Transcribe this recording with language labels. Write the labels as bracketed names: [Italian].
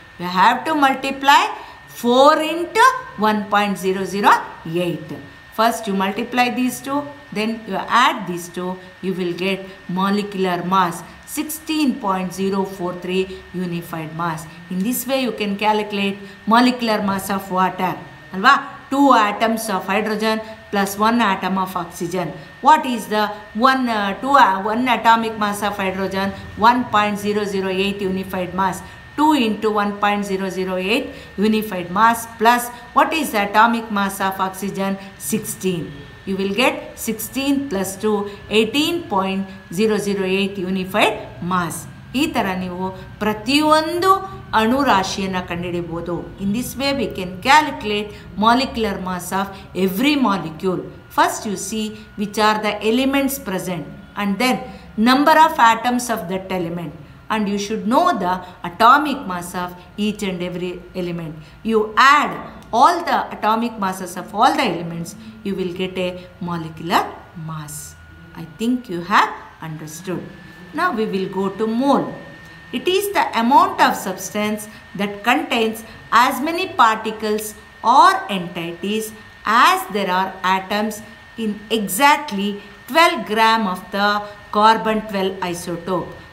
[English] You have to multiply 4 × 1.008. First you multiply these two, then you add these two, you will get molecular mass 16.043 unified mass. In this way you can calculate molecular mass of water. [Kannada] ಅಲ್ವಾ, [English] two atoms of hydrogen plus one atom of oxygen. What is the one atomic mass of hydrogen? 1.008 unified mass. 2 into 1.008 unified mass plus what is the atomic mass of oxygen? 16. You will get 16 plus 2, 18.008 unified mass. [Kannada] ಈ ಥರ ನೀವು ಪ್ರತಿಯೊಂದು ಅಣು ರಾಶಿಯನ್ನು ಕಂಡುಹಿಡಿಯಬಹುದು. [English] In this way we can calculate molecular mass of every molecule. First you see which are the elements present and then number of atoms of that element and you should know the atomic mass of each and every element. You add all the atomic masses of all the elements, you will get a molecular mass. I think you have understood. Now we will go to mole. It is the amount of substance that contains as many particles or entities as there are atoms in exactly 12 gram of the carbon 12 isotope.